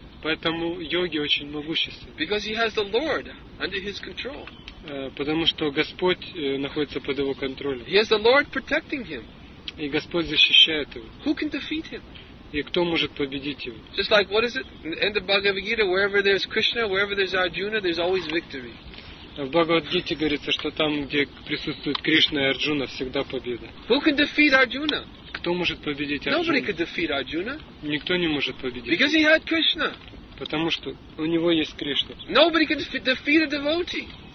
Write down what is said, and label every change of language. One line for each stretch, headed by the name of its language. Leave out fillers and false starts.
Russian: Поэтому йоги очень могущественны.
English: Because he has the Lord under his control.
Russian: Потому что Господь находится под его контролем.
English: He has the Lord protecting him.
Russian: И Господь защищает его.
English: Who can defeat him?
Russian: И кто может победить его?
English: Just like what is it in the Bhagavad Gita? Wherever there is Krishna, wherever there is Arjuna, there is always victory.
Russian: В Бхагавад Гите говорится, что там, где присутствует Кришна и Арджуна, всегда победа.
English: Who can defeat Arjuna?
Russian: Кто может победить Арджуну?
English: Nobody can defeat Arjuna.
Russian: Никто не может победить.
English: Because he had Krishna.
Russian: Потому что у него есть Кришна.
English: Nobody can defeat a devotee.